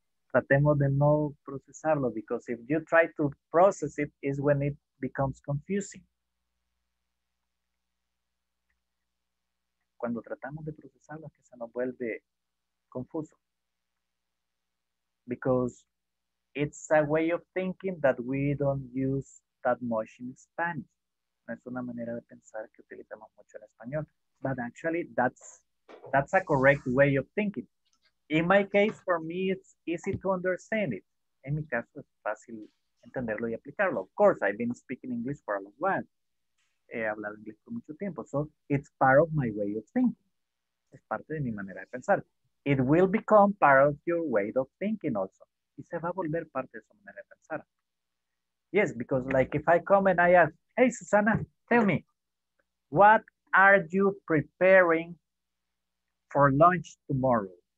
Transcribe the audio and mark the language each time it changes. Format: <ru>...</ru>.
<en>Tratemos de no procesarlo, because if you try to process it, is when it becomes confusing.</en> <es>Cuando tratamos de procesarlo, es que se nos vuelve confuso.</es> <en>Because it's a way of thinking that we don't use that much in Spanish.</en> <es>No es una manera de pensar que utilizamos mucho en español.</es> <en>But actually, that's a correct way of thinking. In my case, for me, it's easy to understand it.</en> <es>En mi caso, es fácil entenderlo y aplicarlo.</es> <en>Of course, I've been speaking English for a long while. He hablado inglés por mucho tiempo. So it's part of my way of thinking. Es parte de mi manera de pensar. It will become part of your way of thinking also.</en> <es>Y se va a volver parte de su manera de pensar.</es> <en>Yes, because like if I come and I ask, hey, Susana, tell me, what are you preparing for lunch tomorrow?</en>